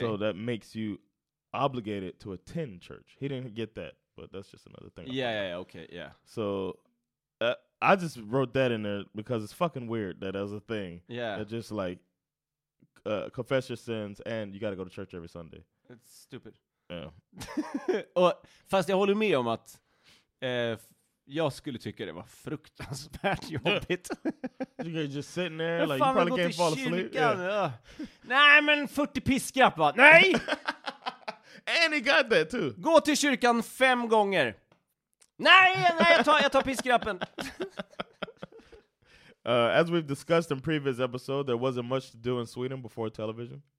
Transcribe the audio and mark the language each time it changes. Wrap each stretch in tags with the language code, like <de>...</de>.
<en>So that makes you obligated to attend church. He didn't get that, but that's just another thing. So I just wrote that in there because it's fucking weird that as a thing, just like confess your sins and you got to go to church every Sunday. It's stupid. Yeah.</en> <sv>Och fast jag håller med om att jag skulle tycka det var fruktansvärt jobbigt.</sv> <en>You're just sitting there like you probably can't fall asleep.</en> <sv>Nej, men 40 piskrapp va. Nej.</sv> <en>And he got that too.</en> <sv>Gå till kyrkan 5 gånger. Nej, jag tar piskrappen.</sv> <en>As we've discussed in previous episode, there wasn't much to do in Sweden before television.</en>